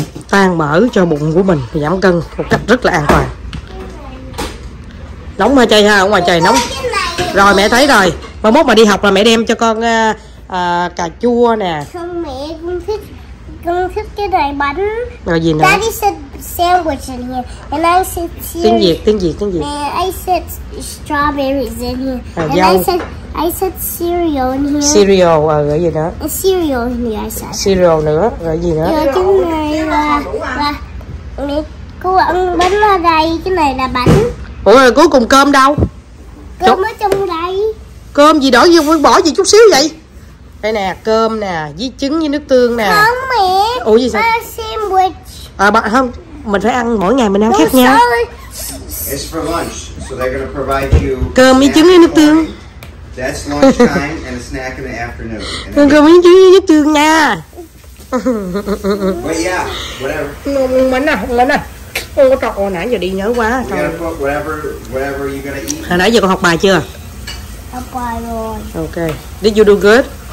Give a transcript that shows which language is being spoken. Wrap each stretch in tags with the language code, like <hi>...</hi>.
<vi>Tan mỡ cho bụng của mình, giảm cân một cách rất là an toàn. Nóng mà chơi ha, ở ngoài trời nóng. Rồi mẹ thấy rồi. Mà mốt mà đi học là mẹ đem cho con cà chua nè. Không mẹ, con thích cái này bánh. Rồi gì nữa?</vi> <en>Daddy said sandwich in here. And I said cheese.</en> <vi>Tiếng Việt.</vi> <en>And I said strawberries in here. I said cereal in here.</en> <vi>Cereal, rồi gì nữa?</vi> <en>And cereal in here, I said.</en> <vi>Cereal nữa, rồi gì nữa? Rồi cái này là mẹ cô ăn bánh ở đây, cái này là bánh. Ủa rồi cuối cùng cơm đâu? Cơm ở trong đây. Cơm gì đổi gì bỏ gì chút xíu vậy? Đây nè, cơm nè, với trứng với nước tương nè. Không mẹ. Ủa gì sao?</vi> <en>Sandwich.</en> <vi>À bạn không, mình phải ăn mỗi ngày mình ăn khác nhau.</vi> <en>It's for lunch, so they're gonna provide you.</en> <vi>Cơm với trứng với nước tương.</vi> <en>That's lunchtime and a snack in the afternoon.</en> <vi>Cơm với trứng với nước tương nha.</vi> <en>But yeah, whatever. No,</en> <vi>mình nè. Ôi trời ơi, nãy giờ đi nhớ quá.</vi> <en>Whatever you gonna eat.</en> <vi>Hồi nãy giờ con học bài chưa? Học bài rồi.</vi> <en>Okay. Did you do good?</en>